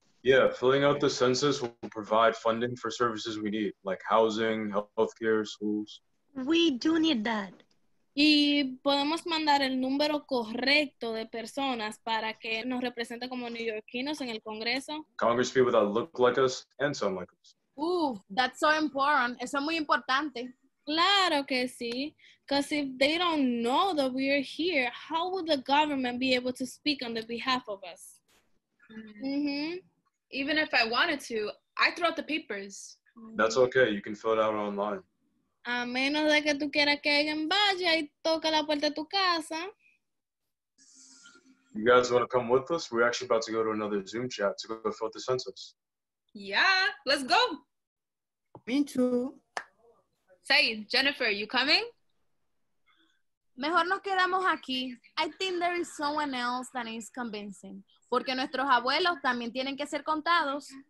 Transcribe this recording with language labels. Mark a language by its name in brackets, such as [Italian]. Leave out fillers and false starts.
[English] Yeah, filling out the census will provide funding for services we need, like housing, healthcare, schools. We do need that. [Spanish] Y podemos mandar el número correcto de personas para que nos represente como neoyorquinos en el Congreso. [English] Congress people that look like us and sound like us. Ooh, that's so important. [Spanish] Eso es muy importante. Claro que sí. [English] Because if they don't know that we are here, how would the government be able to speak on the behalf of us? Mm-hmm. Even if I wanted to, I throw out the papers. That's okay. You can fill it out online. [Spanish] A menos de que tú quieras que alguien vaya y toque la puerta de tu casa. [English] You guys want to come with us? We're actually about to go to another Zoom chat to go fill out the census. Yeah, let's go. Me too. Say, Jennifer, you coming? [Spanish] Mejor nos quedamos aquí. [English] I think there is someone else that is convincing. [Spanish] Porque nuestros abuelos también tienen que ser contados.